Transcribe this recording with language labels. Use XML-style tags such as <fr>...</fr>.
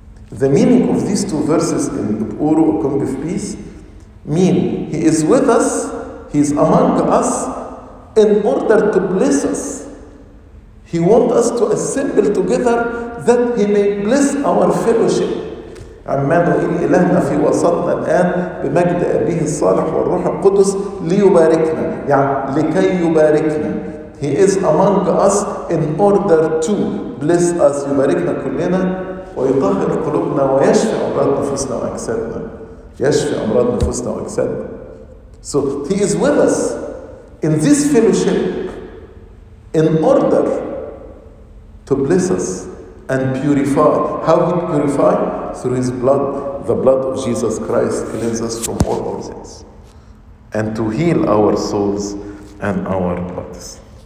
<en>The meaning of these two verses in Uru, O King of Peace, mean he is with us, he is among us, in order to bless us. He wants us to assemble together that he may bless our fellowship.</en> <ar>عمانوئيل إلهنا في وسطنا الآن بمجد أبيه الصالح والروح القدس ليباركنا. يعني لكي يباركنا.</ar> <en>He is among us in order to bless us.</en> <ar>يباركنا كلنا ويطهر قلوبنا ويشفي أمراض نفوسنا وأجسادنا. يشفي أمراض نفوسنا وأجسادنا.</ar> <en>So he is with us in this fellowship in order to bless us and purify. How we purify? Through his blood, the blood of Jesus Christ cleanses us from all our sins and to heal our souls and our bodies.</en>